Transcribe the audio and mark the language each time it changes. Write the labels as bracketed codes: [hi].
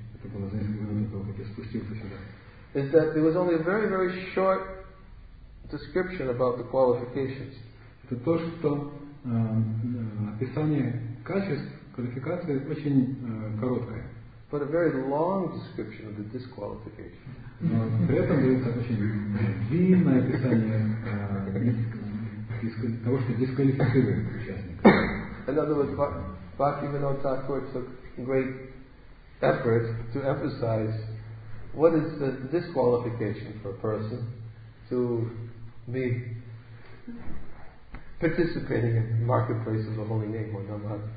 [ru] Это было за несколько минут того, как я спустился сюда. [en] Is that there was only a very, very short description about the qualifications. [ru] Это то, что описание качеств, квалификации очень короткое. [en] But a very long description of the disqualification. [ru] Но при этом дается очень длинное описание того, что дисквалифицирует участника. [en] In other words, Bhaktivinoda Thakur took great effort to emphasize what is the disqualification for a person to be participating in the marketplace of the holy name or Namhata?